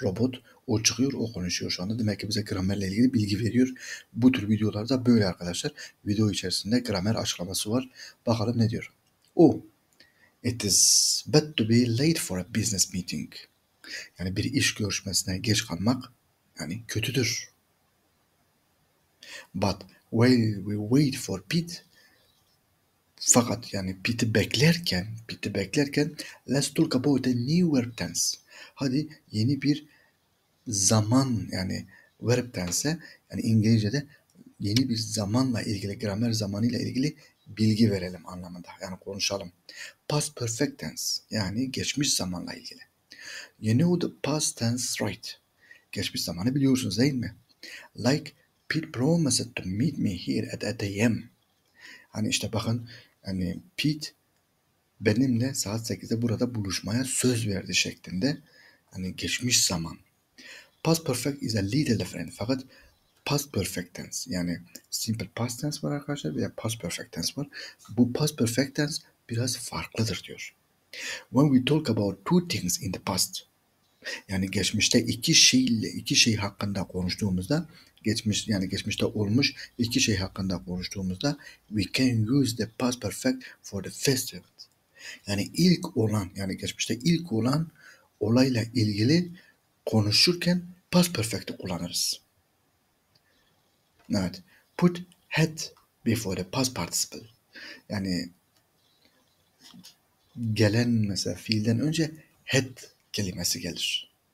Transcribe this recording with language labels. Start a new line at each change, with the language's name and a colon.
Turkish: Robot. O çıkıyor, o konuşuyor şu anda. Demek ki bize gramerle ilgili bilgi veriyor. Bu tür videolarda böyle arkadaşlar. Video içerisinde gramer açıklaması var. Bakalım ne diyor.
English: Oh, it is bad to be late for a business meeting.
Turkish: Yani bir iş görüşmesine geç kalmak yani kötüdür.
English: But while we wait for Pete,
Turkish: fakat yani Pete'i beklerken,
English: let's talk about a new verb tense.
Turkish: Hadi yeni bir zaman yani verb tense yani İngilizce'de yeni bir zamanla ilgili gramer zamanıyla ilgili bilgi verelim anlamında yani konuşalım.
English: Past perfect tense
Turkish: yani geçmiş zamanla ilgili.
English: You know the past tense right?
Turkish: Geçmiş zamanı biliyorsunuz değil mi?
English: Like Pete promised to meet me here at 8 a.m.
Turkish: Hani işte bakın yani Pete benimle saat 8'de burada buluşmaya söz verdi şeklinde hani geçmiş zaman.
English: Past perfect is a little different.
Turkish: Fakat
English: past perfect tense.
Turkish: Yani simple past tense var arkadaşlar. Bir de past perfect tense var. Bu past perfect tense biraz farklıdır diyor.
English: When we talk about two things in the past.
Turkish: Yani geçmişte iki şey hakkında konuştuğumuzda. Geçmişte olmuş iki şey hakkında konuştuğumuzda.
English: We can use the past perfect for the first event.
Turkish: Yani ilk olan yani geçmişte ilk olan olayla ilgili konuşurken past perfect'i kullanırız. Evet.
English: Put had before the past participle.
Turkish: Yani gelen mesela fiilden önce had kelimesi gelir.